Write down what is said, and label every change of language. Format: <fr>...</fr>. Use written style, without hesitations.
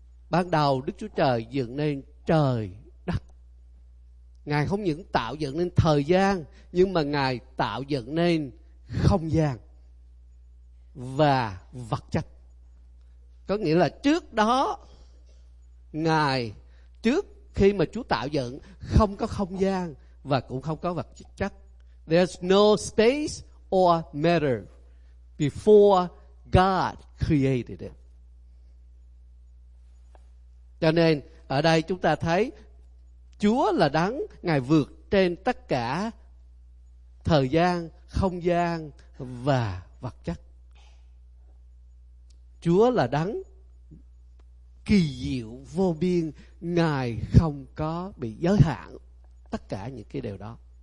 <vi>Ban đầu Đức Chúa Trời dựng nên trời đất. Ngài không những tạo dựng nên thời gian, nhưng mà Ngài tạo dựng nên không gian và vật chất. Có nghĩa là trước đó Ngài, trước khi mà Chúa tạo dựng, không có không gian và cũng không có vật chất.</vi> <en>There's no space or matter before God created it.</en> <vi>Cho nên ở đây chúng ta thấy Chúa là đấng, Ngài vượt trên tất cả thời gian, không gian và vật chất. Chúa là đấng kỳ diệu vô biên, Ngài không có bị giới hạn tất cả những cái điều đó.</vi>